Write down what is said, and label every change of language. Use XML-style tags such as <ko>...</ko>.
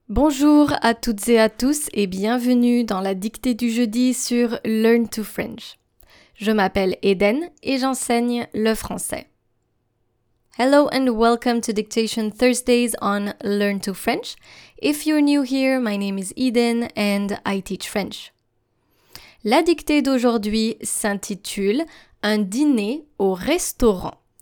<fr>Bonjour à toutes et à tous et bienvenue dans la dictée du jeudi sur Learn to French. Je m'appelle Eden et j'enseigne le français.</fr> <en>Hello and welcome to Dictation Thursdays on Learn to French. If you're new here, my name is Eden and I teach French.</en> <fr>La dictée d'aujourd'hui s'intitule Un dîner au restaurant.</fr>